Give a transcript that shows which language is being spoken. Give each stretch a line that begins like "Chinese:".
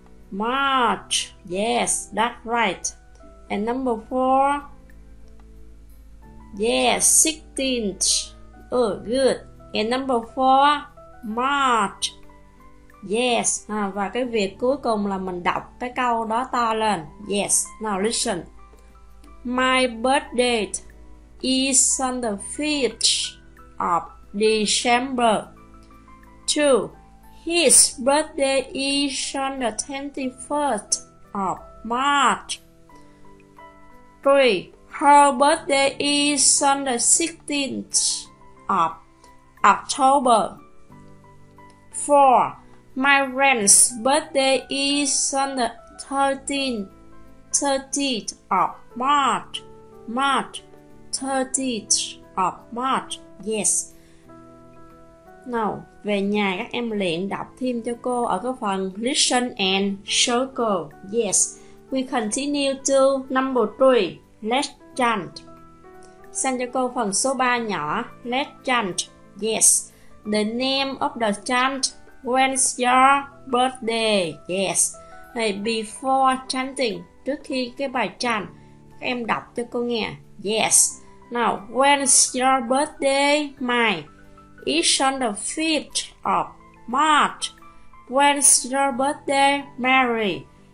English: March, yes, that's right. And number 4, yes, 16th, good. And number 4, March, yes.
Vietnamese: Và cái việc cuối cùng là mình đọc cái câu đó to lên.
English: Yes, now listen. My birthday is on the 5th of December. 2. His birthday is on the 21st of March. 3. Her birthday is on the 16th of October. 4. My friend's birthday is on the 30th of March. March 30th of March. Yes. Now,
Vietnamese: về nhà các em luyện đọc thêm cho cô ở cái phần listen and circle.
English: Yes, we continue to number 3, let's chant.
Vietnamese: Xem cho cô phần số 3 nhỏ, let's chant.
English: Yes, the name of the chant, when's your birthday? Yes, hey, before chanting,
Vietnamese: trước khi cái bài chant, các em đọc cho cô nghe.
English: Yes, now, when's your birthday, my? It's on the 5th of March. When's your birthday, Mary?